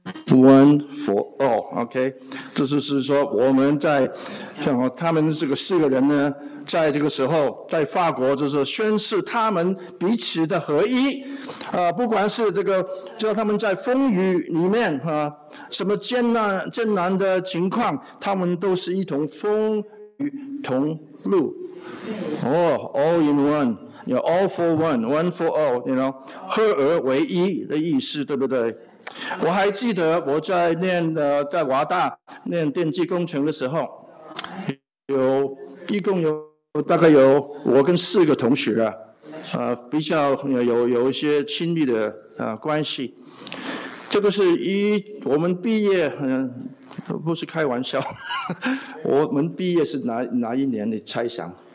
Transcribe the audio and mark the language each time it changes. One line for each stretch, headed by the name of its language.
English: One for all,
Chinese: OK， 这就是说我们在像他们这个四个人呢，在这个时候在法国就是宣示他们彼此的合一，不管是这个叫他们在风雨里面什么艰难的情况，他们都是一同风雨同路。
English: All in one, you know, all for one, one for all, you know,
Chinese: 合而为一的意思，对不对？我还记得我在念在华大念电机工程的时候，一共有大概有我跟四个同学比较有一些亲密的关系。这个是我们毕业不是开玩笑，我们毕业是哪一年？你猜想？